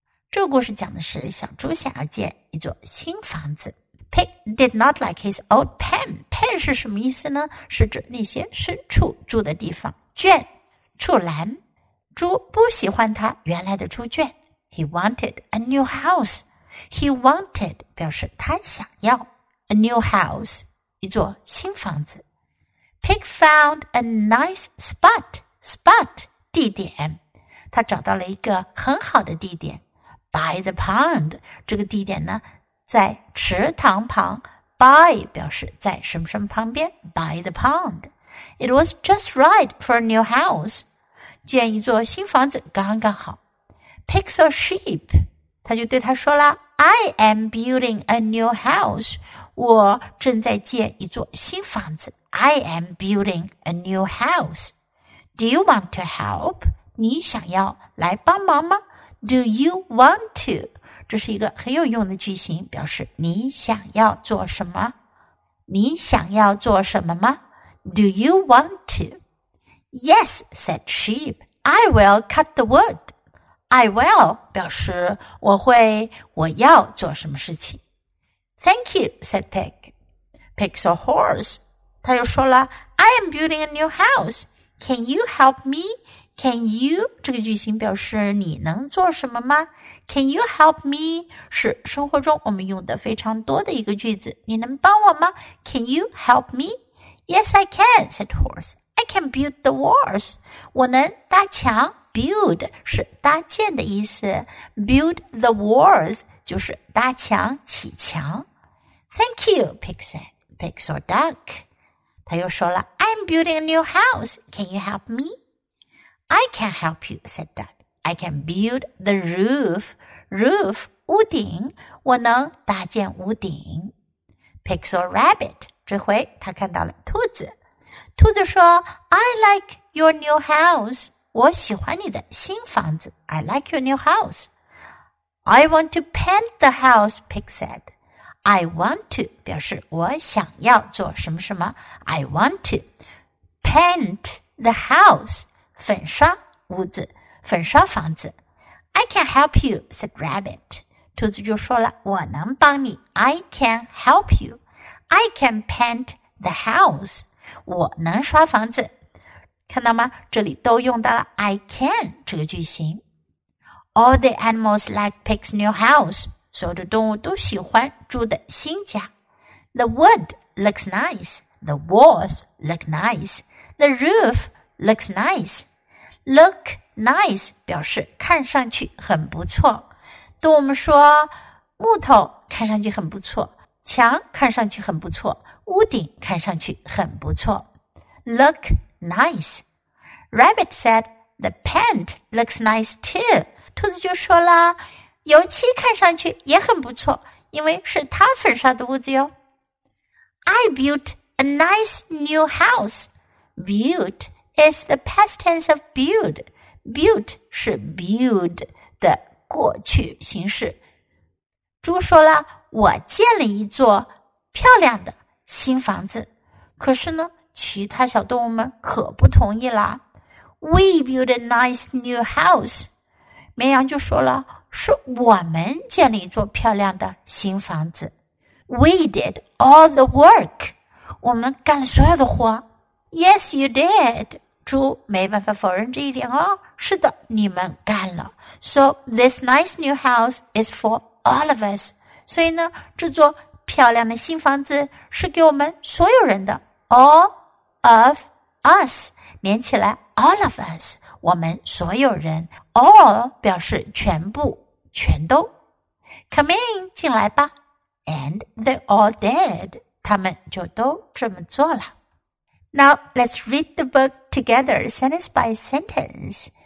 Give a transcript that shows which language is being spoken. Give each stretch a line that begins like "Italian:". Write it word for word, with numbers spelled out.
Chinese: 这个故事讲的是小猪想要建一座新房子。
English: Pig did not like his old pen.
Chinese: Pen 是什么意思呢？是指那些深处住的地方。圈，处栏。猪不喜欢他原来的猪圈。
English: He wanted a new house. He wanted
Chinese: 表示他想要
English: a new house
Chinese: 一座新房子。
English: Pig found a nice spot.
Chinese: Spot 地点，他找到了一个很好的地点。
English: By the pond,
Chinese: 这个地点呢在池塘旁 by 表示在什么什么旁边
English: by the pond. It was just right for a new house.
Chinese: 建一座新房子刚刚好。
English: Pig saw sheep.
Chinese: 他就对他说啦
English: I am building a new house.
Chinese: 我正在建一座新房子。
English: I am building a new house. Do you want to help?
Chinese: 你想要来帮忙吗？
English: Do you want to?
Chinese: 这是一个很有用的句型，表示你想要做什么？你想要做什么吗？
English: Do you want to? Yes, said sheep. I will cut the wood. I will
Chinese: 表示我会，我要做什么事情。
English: Thank you, said pig. Pig saw horse.
Chinese: 他又说了
English: I am building a new house. Can you help me? Can you
Chinese: 这个句型表示你能做什么吗 ？
English: Can you help me
Chinese: 是生活中我们用的非常多的一个句子。你能帮我吗
English: ？Can you help me? Yes, I can, said horse. I can build the walls.
Chinese: 我能搭墙。 Build 是搭建的意思。
English: Build the walls
Chinese: 就是搭墙、起墙。
English: Thank you, Pig said. Pig saw duck.
Chinese: 他又说了
English: ，I'm building a new house. Can you help me? I can help you, said Duck. I can build the roof.
Chinese: Roof, 屋顶，我能搭建屋顶。
English: Pig saw rabbit.
Chinese: 这回他看到了兔子。兔子说
English: I like your new house.
Chinese: 我喜欢你的新房子。
English: I like your new house. I want to paint the house, Pig said. I want to
Chinese: 表示我想要做什么什么。
English: I want to paint the house.
Chinese: 粉刷屋子，粉刷房子。
English: I can help you, said Rabbit.
Chinese: 兔子就说了，我能帮你
English: I can help you. I can paint the house.
Chinese: 我能刷房子。看到吗？这里都用到了
English: I can
Chinese: 这个句型。
English: All the animals like pig's new house.
Chinese: 所有的动物都喜欢猪的新家。
English: The wood looks nice. The walls look nice. The roof looks nice. Look nice
Chinese: 表示看上去很不错。对我们说，木头看上去很不错，墙看上去很不错，屋顶看上去很不错。
English: Look nice. Rabbit said, the paint looks nice too.
Chinese: 兔子就说了，油漆看上去也很不错，因为是它粉刷的屋子哟。
English: I built a nice new house. Built is the past tense of build.
Chinese: Built 是 build 的过去形式。猪说了，我建了一座漂亮的新房子。可是呢，其他小动物们可不同意啦。
English: We built a nice new house.
Chinese: 绵羊就说了，是我们建了一座漂亮的新房子。
English: We did all the work.
Chinese: 我们干了所有的活。
English: Yes, you did.
Chinese: 猪没办法否认这一点哦。是的，你们干了。
English: So, this nice new house is for all of us.
Chinese: 所以呢，这座漂亮的新房子是给我们所有人的。
English: All of us.
Chinese: 连起来
English: all of us.
Chinese: 我们所有人。All 表示全部，全都。
English: Come in,
Chinese: 进来吧。
English: And they all did.
Chinese: 他们就都这么做了。
English: Now, let's read the book together, sentence by sentence.